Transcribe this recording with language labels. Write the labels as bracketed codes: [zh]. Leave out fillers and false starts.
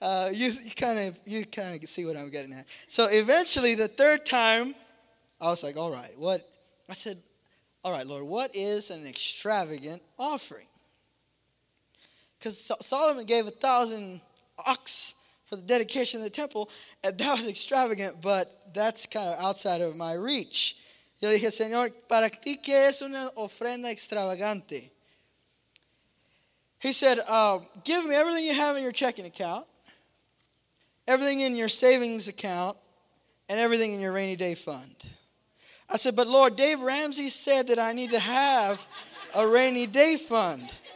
[en] You kind of see what I'm getting at. So eventually, the third time, I was like, all right, what? I said, all right, Lord, what is an extravagant offering? Because Solomon gave 1,000 ox for the dedication of the temple, and that was extravagant, but that's kind of outside of my reach. [es] Yo dije, Señor, ¿para ti qué es una ofrenda extravagante? [en] He said, give me everything you have in your checking account, everything in your savings account, and everything in your rainy day fund. I said, but Lord, Dave Ramsey said that I need to have a rainy day fund.